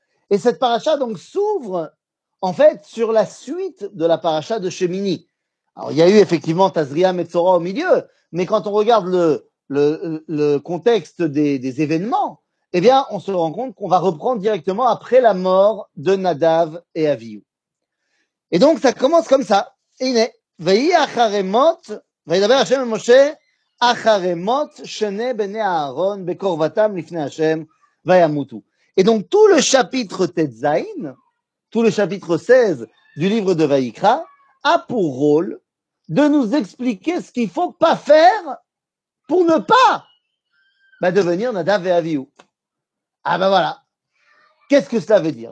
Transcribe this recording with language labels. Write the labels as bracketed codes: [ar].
[fr] Et cette paracha donc s'ouvre en fait sur la suite de la paracha de Shemini. Alors il y a eu effectivement Tazria Metzora au milieu, mais quand on regarde le contexte des événements, eh bien on se rend compte qu'on va reprendre directement après la mort de Nadav et Avihu. Et donc ça commence comme ça. Et il est. [he] ויהי אחרי מות, וידבר השם למשה, אחרי מות שני בני אהרון בקרבתם לפני השם וימותו. [fr] Et donc tout le chapitre Tetzain, tout le chapitre 16 du livre de Vaïkra, a pour rôle de nous expliquer ce qu'il ne faut pas faire pour ne pas devenir Nadav et Avihu. Ah ben voilà. Qu'est-ce que cela veut dire?